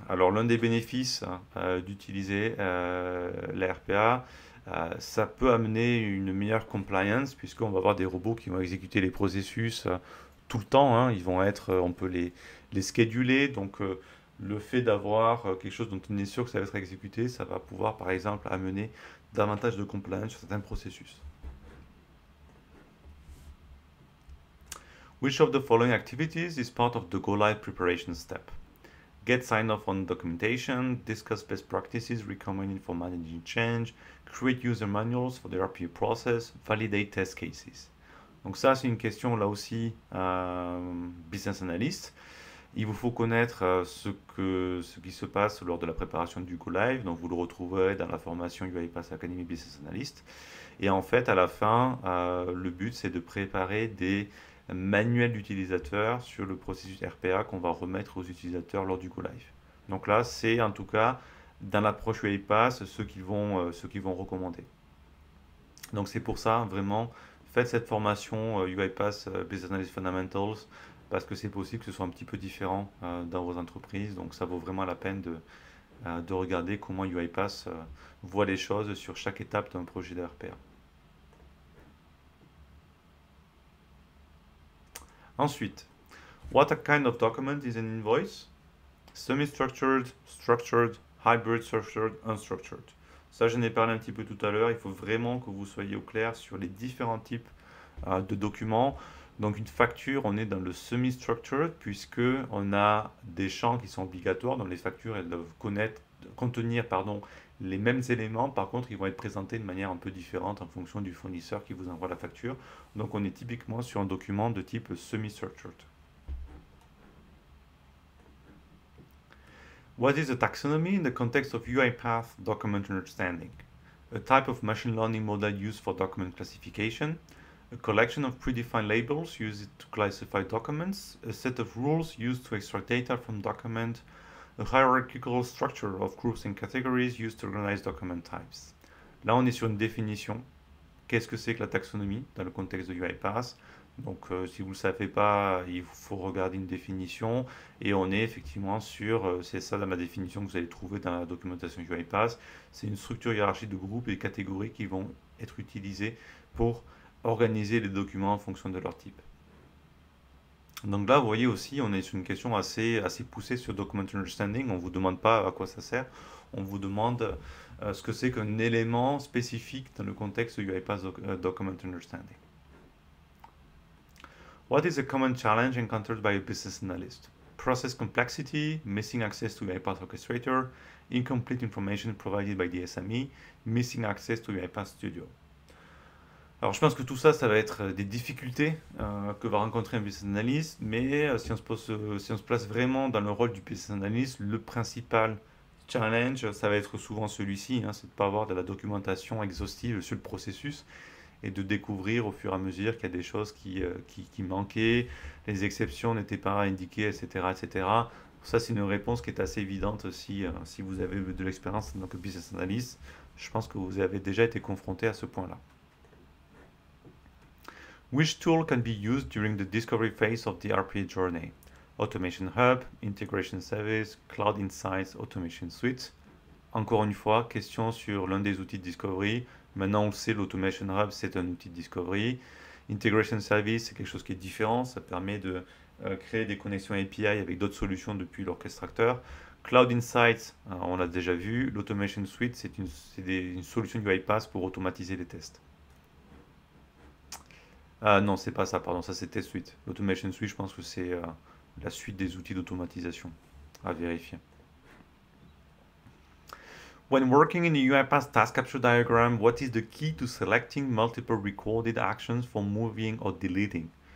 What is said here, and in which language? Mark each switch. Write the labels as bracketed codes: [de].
[fr] Alors, l'un des bénéfices d'utiliser la RPA, ça peut amener une meilleure compliance, puisqu'on va avoir des robots qui vont exécuter les processus tout le temps. Hein. On peut les scheduler. Donc, le fait d'avoir quelque chose dont on est sûr que ça va être exécuté, ça va pouvoir, par exemple, amener davantage de compliance sur certains processus. [en] Which of the following activities is part of the go live preparation step? Get sign off on documentation, discuss best practices recommended for managing change, create user manuals for the RPA process, validate test cases. [fr] Donc ça c'est une question là aussi business analyst. Il vous faut connaître ce qui se passe lors de la préparation du go live. Donc vous le retrouverez dans la formation UiPath Academy Business Analyst. Et en fait à la fin le but c'est de préparer des manuel d'utilisateur sur le processus RPA qu'on va remettre aux utilisateurs lors du go live. Donc là, c'est en tout cas dans l'approche UiPath ce qu'ils vont recommander. Donc c'est pour ça vraiment faites cette formation UiPath Business Analyst Fundamentals parce que c'est possible que ce soit un petit peu différent dans vos entreprises. Donc ça vaut vraiment la peine de regarder comment UiPath voit les choses sur chaque étape d'un projet de RPA. [en] Ensuite, what a kind of document is an invoice? Semi-structured, structured, hybrid, structured, unstructured. [fr] Ça, j'en ai parlé un petit peu tout à l'heure. Il faut vraiment que vous soyez au clair sur les différents types de documents. Donc, une facture, on est dans le semi-structured puisque on a des champs qui sont obligatoires. Donc, les factures, elles doivent contenir, pardon, les mêmes éléments. Par contre, ils vont être présentés de manière un peu différente en fonction du fournisseur qui vous envoie la facture. Donc, on est typiquement sur un document de type semi-structured. [en] What is a taxonomy in the context of UiPath document understanding? A type of machine learning model used for document classification. A collection of predefined labels used to classify documents. A set of rules used to extract data from document. A hierarchical structure of groups and categories used to organize document types. [fr] Là, on est sur une définition. Qu'est-ce que c'est que la taxonomie dans le contexte de UiPath? Donc, si vous ne le savez pas, il faut regarder une définition. Et on est effectivement sur, c'est ça dans la définition que vous allez trouver dans la documentation UiPath, c'est une structure hiérarchique de groupes et catégories qui vont être utilisées pour organiser les documents en fonction de leur type. Donc là, vous voyez aussi, on est sur une question assez poussée sur Document Understanding. On ne vous demande pas à quoi ça sert. On vous demande ce que c'est qu'un élément spécifique dans le contexte UiPath Document Understanding. [en] What is a common challenge encountered by a business analyst? Process complexity, missing access to UiPath Orchestrator, incomplete information provided by the SME, missing access to UiPath Studio. [fr] Alors, je pense que tout ça va être des difficultés que va rencontrer un business analyst, mais si on se place vraiment dans le rôle du business analyst, le principal challenge, ça va être souvent celui-ci, hein, c'est de ne pas avoir de la documentation exhaustive sur le processus et de découvrir au fur et à mesure qu'il y a des choses qui manquaient, les exceptions n'étaient pas indiquées, etc., etc. Ça, c'est une réponse qui est assez évidente si vous avez de l'expérience en tant que business analyst. Je pense que vous avez déjà été confronté à ce point-là. [en] Which tool can be used during the discovery phase of the RPA journey? Automation Hub, Integration Service, Cloud Insights, Automation Suite. [fr] Encore une fois, question sur l'un des outils de discovery. Maintenant, on le sait, l'Automation Hub, c'est un outil de discovery. Integration Service, c'est quelque chose qui est différent. Ça permet de créer des connexions API avec d'autres solutions depuis l'orchestrateur. Cloud Insights, on l'a déjà vu. L'Automation Suite, c'est une solution du UiPath pour automatiser les tests. Ah non, c'est pas ça, pardon, ça c'est Test Suite. L'Automation Suite, je pense que c'est la suite des outils d'automatisation à vérifier. [en] When working in a UiPath task capture diagram, what is the key to selecting multiple recorded actions for moving or deleting?